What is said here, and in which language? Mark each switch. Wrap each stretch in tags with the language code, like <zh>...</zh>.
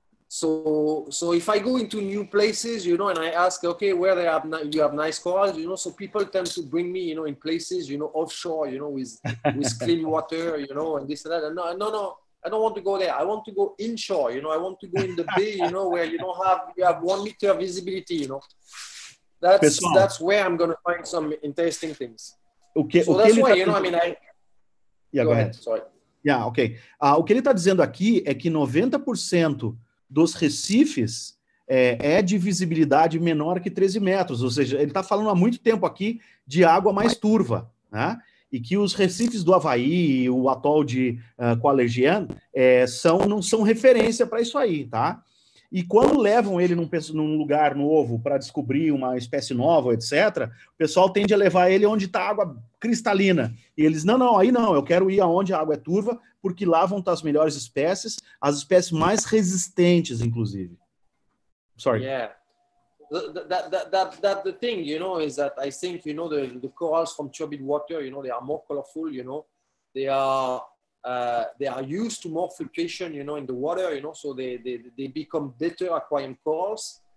<en>So if I go into new places, you know, and I ask, okay, where they have you have nice corals, you know, so people tend to bring me, you know, in places, you know, offshore, you know, with clean water, you know, and this and that. And no, I don't want to go there. I want to go inshore, you know, I want to go in the bay, you know, where you don't have, you have 1 meter visibility, you know. That's where I'm going to find some interesting things. Okay. So that's why, you know, I mean, Go ahead. Sorry. Yeah, ok.</en> <pt>O que ele está dizendo aqui é que 90% dos recifes é de visibilidade menor que 13 metros, ou seja, ele está falando há muito tempo aqui de água mais turva, né? E que os recifes do Havaí e o atol de Qualegian não são referência para isso aí, tá? E quando levam ele num lugar novo para descobrir uma espécie nova, etc., o pessoal tende a levar ele onde está a água cristalina. E eles, não, eu quero ir aonde a água é turva, porque lá vão estar as melhores espécies, as espécies mais resistentes, inclusive.</pt> <en>Sorry. Yeah. That the thing, you know, is that I think, you know, the corals from turbid water, you know, they are more colorful, you know, they are used to more filtration, you know, in the water, you know, so they become better aquarium corals.</en>